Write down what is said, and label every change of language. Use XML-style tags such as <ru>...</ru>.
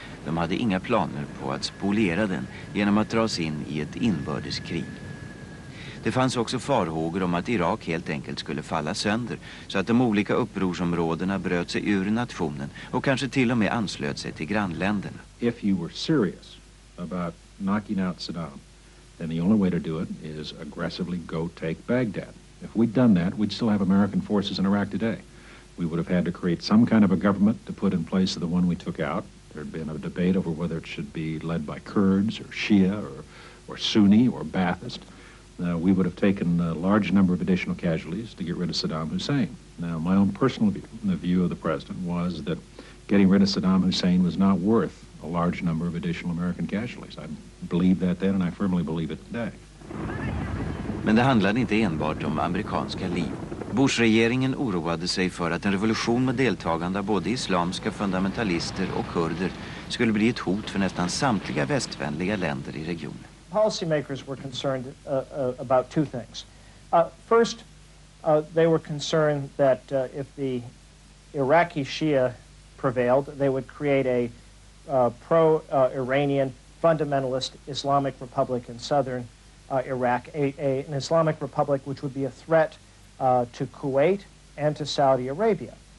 <sv>De hade inga planer på att spoliera den genom att dra sig in i ett inbördeskrig. Det fanns också farhågor om att Irak helt enkelt skulle falla sönder så att de olika upprorsområdena bröt sig ur nationen och kanske till och med anslöt sig till grannländerna.</sv> <en>If you were serious about knocking out Saddam, then the only way to do it is aggressively go take Baghdad. If we'd done that, we'd still have American forces in Iraq today. We would have had to create some kind of a government to put in place of the one we took out. There'd been a debate over whether it should be led by Kurds or Shia or Sunni or Baathist. We would have taken a large number of additional casualties to get rid of Saddam Hussein. Now, my own personal view, the view of the president, was that getting rid of Saddam Hussein was not worth a large number of additional American casualties. I believe that then and I firmly believe it today.</en> <sv>Men det handlade inte enbart om amerikanska liv. Bush-regeringen oroade sig för att en revolution med deltagande av både islamska fundamentalister och kurder skulle bli ett hot för nästan samtliga västvänliga länder i regionen.</sv> <en>Policymakers were concerned about two things. First, they were concerned that if the Iraqi Shia prevailed, they would create a pro-Iranian fundamentalist Islamic Republic in southern Iraq, an Islamic Republic which would be a threat to Kuwait and to Saudi Arabia.</en>